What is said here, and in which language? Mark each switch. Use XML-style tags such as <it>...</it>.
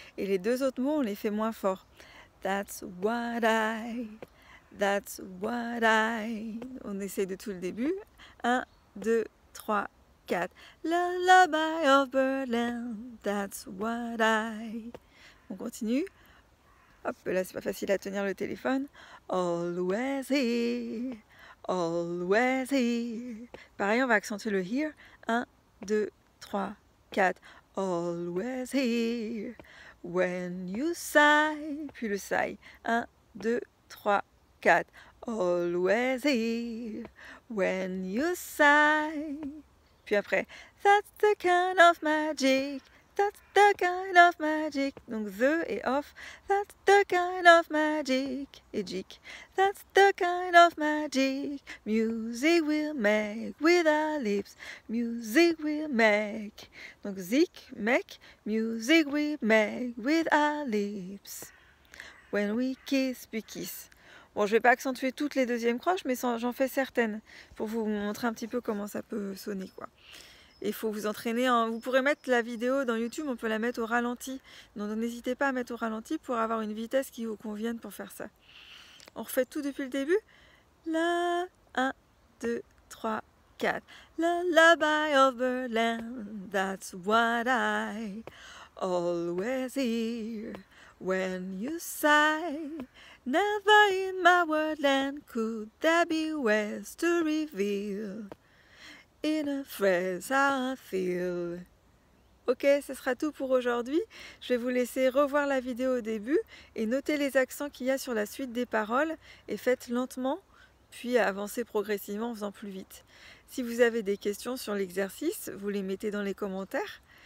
<fr>Et les deux autres mots, on les fait moins fort.</fr> <en>That's what I. That's what I.</en> <fr>On essaye de tout le début.</fr> <en>1, 2, 3, 4. Lullaby of Birdland. That's what I.</en> <fr>On continue. Hop, là c'est pas facile à tenir le téléphone.</fr> <en>Always here, always here.</en> <fr>Pareil, on va accentuer le here. 1, 2, 3, 4.</fr> <en>Always here, when you sigh.</en> <fr>Puis le</fr> <en>sigh. 1, 2, 3, 4. Always here, when you sigh.</en> <fr>Puis après.</fr> <en>That's the kind of magic. That's the kind of magic.</en> <fr>Donc the et of.</fr> <en>That's the kind of magic.</en> <fr>Et jic.</fr> <en>That's the kind of magic. Music we'll make with our lips. Music we'll make.</en> <fr>Donc</fr> <en>zik, make. Music we'll make with our lips. When we kiss,</en> <fr>puis</fr> <en>kiss.</en> <fr>Bon, je ne vais pas accentuer toutes les deuxièmes croches, mais j'en fais certaines pour vous montrer un petit peu comment ça peut sonner, quoi. Il faut vous entraîner. Vous pourrez mettre la vidéo dans YouTube, on peut la mettre au ralenti. Donc n'hésitez pas à mettre au ralenti pour avoir une vitesse qui vous convienne pour faire ça. On refait tout depuis le début. La, 1, 2, 3, 4.</fr> <en>Lullaby of Birdland, that's what I always hear when you sigh. Never in my woodland could there be ways to reveal. In a phrase, I feel.</en> <fr>Ok, ce sera tout pour aujourd'hui. Je vais vous laisser revoir la vidéo au début et noter les accents qu'il y a sur la suite des paroles et faites lentement, puis avancez progressivement en faisant plus vite. Si vous avez des questions sur l'exercice, vous les mettez dans les commentaires.</fr>